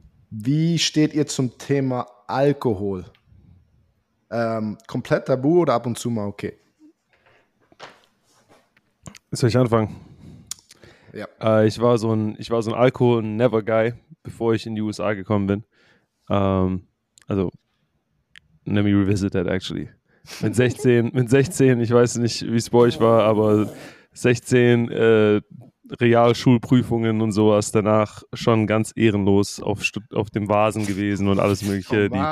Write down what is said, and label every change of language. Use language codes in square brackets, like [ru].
[de] Wie steht ihr zum Thema Alkohol? Komplett tabu oder ab und zu mal okay? Soll ich anfangen? Ja. Ich war so ein Alkohol-Never-Guy, bevor ich in die USA gekommen bin. [en] Also, let me revisit that actually. [de] Mit 16, ich weiß nicht, wie es bei euch war, aber 16, Realschulprüfungen und sowas, danach schon ganz ehrenlos auf dem Vasen gewesen und alles mögliche.